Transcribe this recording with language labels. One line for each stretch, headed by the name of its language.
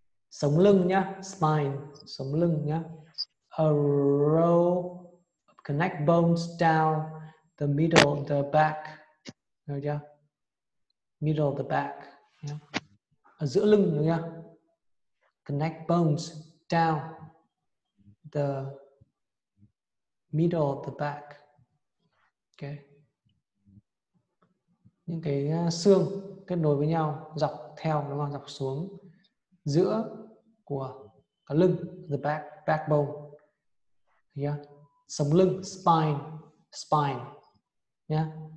Vietnamese: Sống lưng nhá, spine, sống lưng nhá.
English: A row of connect bones down the middle, the back.
Vietnamese: Được chưa?
English: Middle of the back.
Vietnamese: ở giữa lưng đúng không?
English: Connect bones down the middle of the back. Okay.
Vietnamese: Những cái xương kết nối với nhau dọc theo đúng không? Dọc xuống giữa của cả lưng, the back, backbone. Yeah. Sống lưng, spine, spine. Yeah.